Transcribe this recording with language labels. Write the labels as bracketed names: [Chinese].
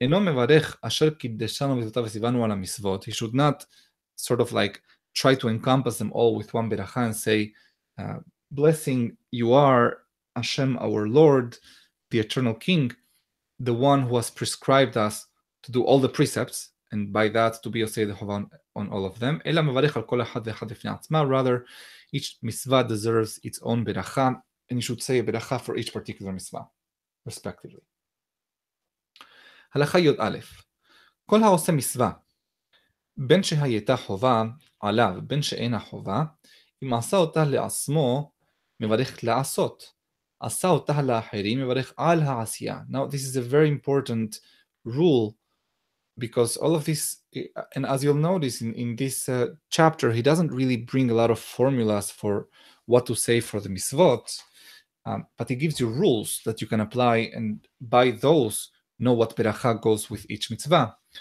[English] He should not sort of like try to encompass them all with one beracha and say, blessing you are, Hashem our Lord, the Eternal King, the one who has prescribed us to do all the precepts, and by that to be Osei Dehovah on all of them. Rather, each mitzvah deserves its own beracha, and you should say a beracha for each particular mitzvah, respectively. [Hebrew] הלכה יוד א', כל העושה מסווה, בין שהייתה חובה עליו, בין שאין החובה, אם עשה אותה לעצמו, מברך לעשות. עשה אותה לאחרים, מברך על העשייה. [English] Now, this is a very important rule, because all of this, and as you'll notice in this chapter, he doesn't really bring a lot of formulas for what to say for the מסוות, but he gives you rules that you can apply, and by those, know what beracha goes with each mitzvah.